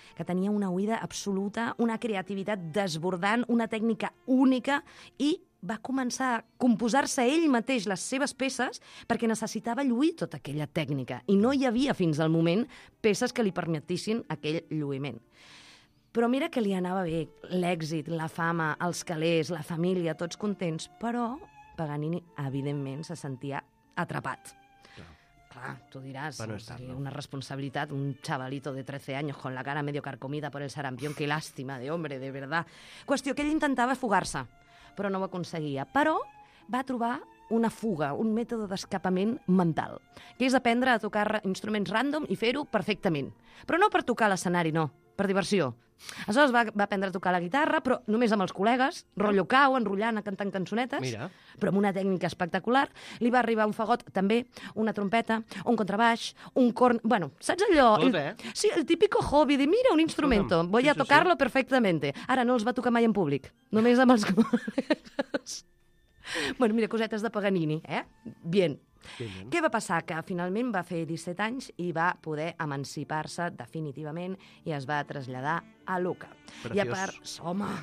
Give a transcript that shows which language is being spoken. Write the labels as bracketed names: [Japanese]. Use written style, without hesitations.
[Catalan] Que tenia una oïda absoluta, una creativitat desbordant, una tècnica única i va començar a composar-se ell mateix les seves peces perquè necessitava lluir tota aquella tècnica i no hi havia fins al moment peces que li permetessin aquell lluïment. Però mira que li anava bé l'èxit, la fama, els calés, la família, tots contents, però Paganini, evidentment, se sentia atrapat. Clar, tu diràs, bueno, és tard, una responsabilitat, [Spanish] un chavalito de 13 anys con la cara medio carcomida por el sarampión, que lástima de hombre, de verdad. [Catalan] Qüestió que ell intentava fugar-se, però no ho aconseguia. Però va trobar una fuga, un mètode d'escapament mental, que és aprendre a tocar instruments random i fer-ho perfectament. Però no per tocar l'escenari, no, per diversió. Aleshores va aprendre a tocar la guitarra, però només amb els col·legues, rotllo cau, enrotllant, cantant cançonetes, mira, però amb una tècnica espectacular. Li va arribar un fagot, també, una trompeta, un contrabaix, un corn... Bueno, saps allò? Tot, eh? [Spanish] Sí, el típico hobby de mira un instrumento, voy a tocarlo perfectamente. [Catalan] Ara no els va tocar mai en públic, només amb els col·legues. Bueno, mira, cosetes de Paganini, eh? [Spanish] Bien. [Catalan] Sí, què va passar? Que finalment va fer 17 anys i va poder emancipar-se definitivament i es va traslladar a Lucca. Preciós. I a part, home,